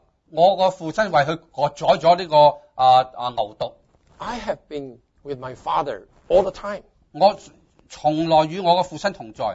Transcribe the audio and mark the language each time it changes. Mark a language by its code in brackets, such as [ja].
[zh] 我的父亲为他宰了这个牛犊。 [en] I have been with my father all the time. [zh] 我从来与我的父亲同在。